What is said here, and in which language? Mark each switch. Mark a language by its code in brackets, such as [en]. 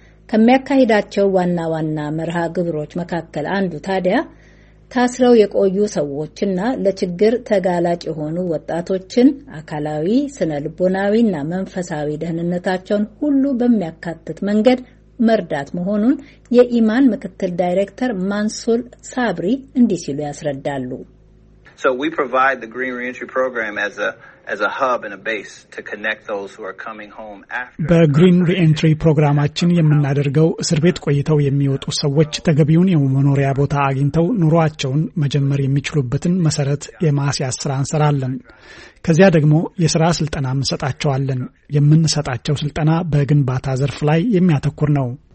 [am] ከሚያካሂዳቸው ዋና ዋና መርሃ ግብሮች መካከል አንዱ ታዲያ ታስረው የቆዩ ሰዎችና ለችግር ተጋላጭ የሆኑ ወጣቶችን አካላዊ፣ ስነ ልቦናዊና መንፈሳዊ ደህንነታቸውን ሁሉ በሚያካትት መንገድ መርዳት መሆኑን የኢማን ምክትል ዳይሬክተር ማንሱል ሳብሪ እንዲህ ሲሉ ያስረዳሉ። [en] So we provide the green reentry program as a hub and a base to connect those who are coming home after. [am] በግሪን ሪኤንትሪ ፕሮግራማችን የምናደርገው እስር ቤት ቆይተው የሚወጡ ሰዎች ተገቢውን የመኖሪያ ቦታ አግኝተው ኑሯቸውን መጀመር የሚችሉበትን መሰረት የማስያዝ ስራ እንሰራለን። ከዚያ ደግሞ የሥራ ስልጠና እንሰጣቸዋለን። የምንሰጣቸው ስልጠና በግንባታ ዘርፍ ላይ የሚያተኩር ነው።